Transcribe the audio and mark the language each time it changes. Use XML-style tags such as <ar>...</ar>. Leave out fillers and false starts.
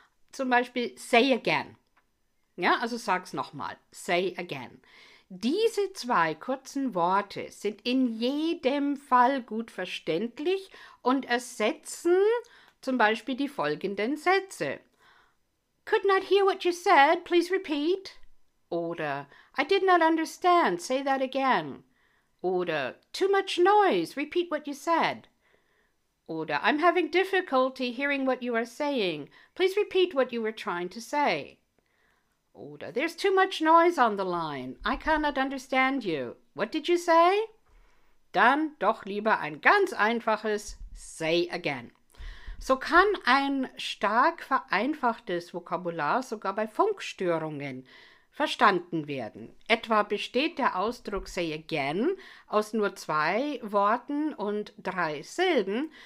<de>Zum Beispiel</de> <en>say again.</en> <de>Ja, also sag's nochmal.</de> <en>Say again.</en> <de>Diese zwei kurzen Worte sind in jedem Fall gut verständlich und ersetzen zum Beispiel die folgenden Sätze.</de> <en>Could not hear what you said, please repeat.</en> <de>Oder</de> <en>I did not understand, say that again.</en> <de>Oder</de> <en>too much noise, repeat what you said. Oder I'm having difficulty hearing what you are saying, please repeat what you were trying to say.</en> <de>Oder</de> <en>there's too much noise on the line. I cannot understand you. What did you say?</en> <de>Dann doch lieber ein ganz einfaches</de> <en>Say again.</en> <de>So kann ein stark vereinfachtes Vokabular sogar bei Funkstörungen verstanden werden. Etwa besteht der Ausdruck</de> <en>Say again</en> <de>aus nur zwei Worten und drei Silben.</de>